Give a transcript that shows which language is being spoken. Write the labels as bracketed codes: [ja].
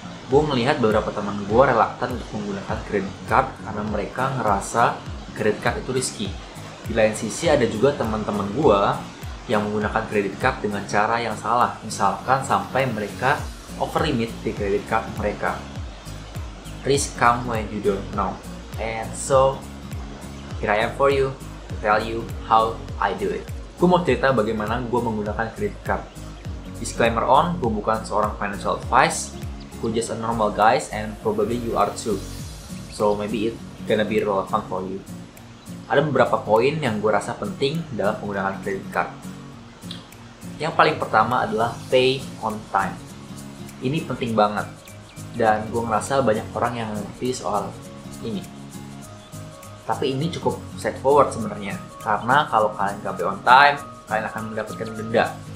[id] Gue melihat beberapa teman gue reluctant untuk menggunakan kredit card karena mereka ngerasa kredit card itu risky. Di lain sisi ada juga teman-teman gue yang menggunakan kredit card dengan cara yang salah, misalkan sampai mereka over limit di kredit card mereka. [en] Risk come when you don't know. And so, here I am for you to tell you how I do it. [id] Gue mau cerita bagaimana gue menggunakan kredit card. [en] Disclaimer on, [id] gue bukan seorang [en] financial advice. Gue just a normal guys and probably you are too. So maybe it gonna be relevant for you. [id] Ada beberapa poin yang gue rasa penting dalam menggunakan kredit card. Yang paling pertama adalah [en] pay on time. [id] Ini penting banget. Dan gue ngerasa banyak orang yang ngerti soal ini. Tapi ini cukup straightforward sebenarnya. Karena kalau kalian gak [en] pay on time, [id] kalian akan mendapatkan denda.